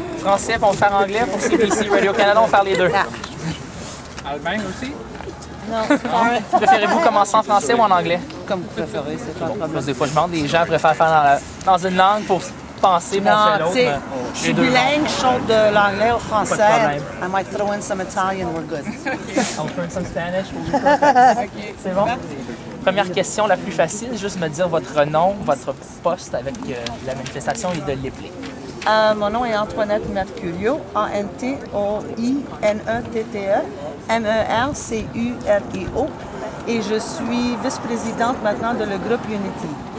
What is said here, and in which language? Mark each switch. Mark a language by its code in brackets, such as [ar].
[fr] Français pour faire anglais, pour CBC Radio-Canada, on va faire les deux. Allemagne aussi? Non. Préférez-vous commencer en français ou en anglais? Comme vous préférez, c'est pas le problème. Parce que des fois, je demande des gens préfèrent faire dans une langue pour penser, non, penser l'autre. Non, tu sais, je suis bilingue, je chante de l'anglais au français. [en] I might throw in some Italian, we're good. I'll throw in some Spanish. [fr] C'est bon? Première question la plus facile, juste me dire votre nom, votre poste avec la manifestation et de l'épeler. Mon nom est Antoinette Mercurio, A-N-T-O-I-N-E-T-T-E. M-E-R-C-U-R-I-O, et je suis vice-présidente maintenant de le groupe Unity.